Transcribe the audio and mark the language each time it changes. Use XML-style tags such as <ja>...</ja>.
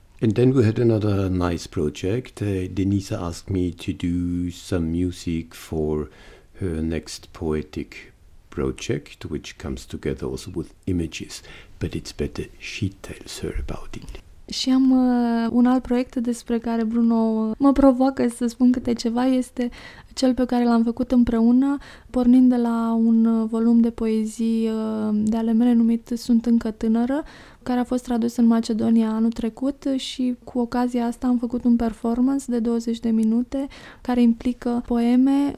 <en>And then we had another nice project. Denisa asked me to do some music for her next poetic project, which comes together also with images, but it's better she tells her about it.</en> <ro>Și am un alt proiect despre care Bruno mă provoacă să spun câte ceva, este cel pe care l-am făcut împreună, pornind de la un volum de poezii de ale mele numit Sunt încă tânără, care a fost tradus în Macedonia anul trecut și cu ocazia asta am făcut un performance de 20 de minute care implică poeme.</ro>